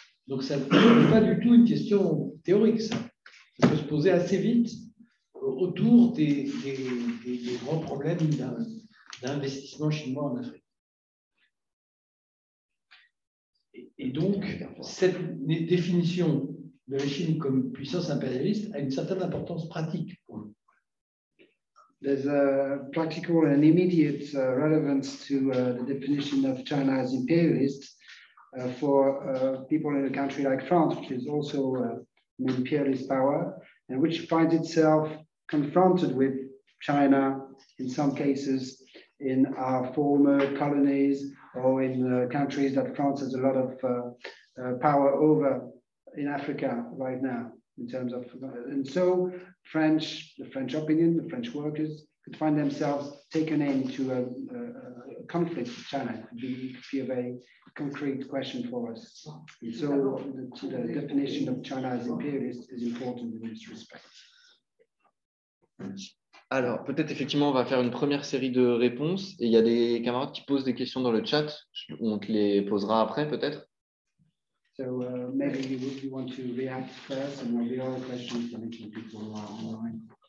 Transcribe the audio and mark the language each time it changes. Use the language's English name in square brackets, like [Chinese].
[French] Donc, ça n'est pas du tout une question théorique, ça. Ça peut se poser assez vite autour des grands problèmes d'investissement chinois en Afrique. Et donc, cette définition de la Chine comme puissance impérialiste a une certaine importance pratique pour nous. [English] There's a practical and immediate relevance to the definition of China as imperialist for people in a country like France, which is also an imperialist power, and which finds itself confronted with China in some cases in our former colonies, or in countries that France has a lot of power over in Africa right now, in terms of, and so French, the French opinion, the French workers could find themselves taken into a conflict with China. It would be a very concrete question for us. And so the definition of China as imperialist is important in this respect. [French] Alors, peut-être effectivement, on va faire une première série de réponses. Et il y a des camarades qui posent des questions dans le chat. On te les posera après, peut-être. [English] So, maybe you want to react first, and maybe all the questions can make people online.